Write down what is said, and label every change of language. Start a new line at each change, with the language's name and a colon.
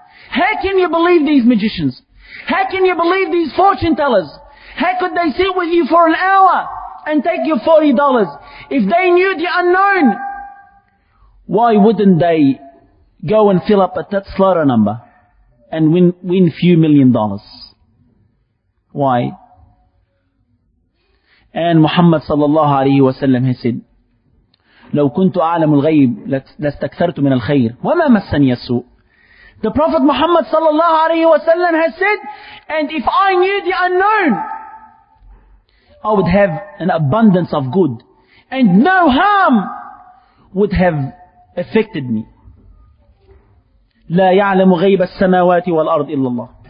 English: How can you believe these magicians? How can you believe these fortune tellers? How could they sit with you for an hour and take your $40? If they knew the unknown, why wouldn't they go and fill up a Tatslara number and win few million dollars? Why? And Muhammad sallallahu alayhi wa sallam has said,
Arabic: لو كنت أعلم الغيب لاستكثرت من الخير وما مسني السوء.
English: The Prophet Muhammad sallallahu alayhi wa sallam has said, and if I knew the unknown, I would have an abundance of good and no harm would have affected me.
Arabic: لا يعلم غيب السماوات والأرض إلا الله.